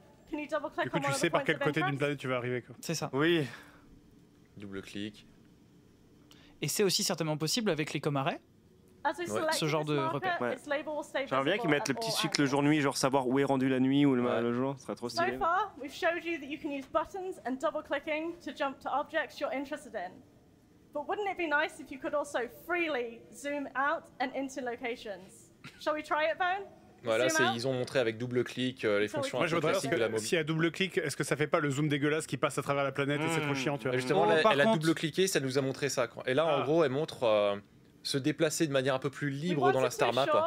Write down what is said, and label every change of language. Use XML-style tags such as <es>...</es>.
<fr>Du coup, tu sais par quel côté d'une planète tu vas arriver. Quoi. C'est ça. Oui. Double clic. Et c'est aussi certainement possible avec les comarets. Ouais. Ce genre de repère. Ouais. J'aimerais bien qu'ils mettent le petit sucre le jour-nuit, genre savoir où est rendu la nuit ou le jour. Ce serait trop stylé.</fr> <en>So far, we've showed you that you can use buttons and double clicking to jump to objects you're interested in. But wouldn't it be nice if you could also freely zoom out and into locations? Shall we try it, Bone?</en> <fr>Voilà, ils ont montré avec double clic les fonctions un peu classiques de la mobile. Si à double clic, est-ce que ça fait pas le zoom dégueulasse qui passe à travers la planète et c'est trop chiant, tu vois. Justement, elle a double cliqué, ça nous a montré ça. Quoi. Et là, en gros, elle montre se déplacer de manière un peu plus libre dans la Star Map.</fr>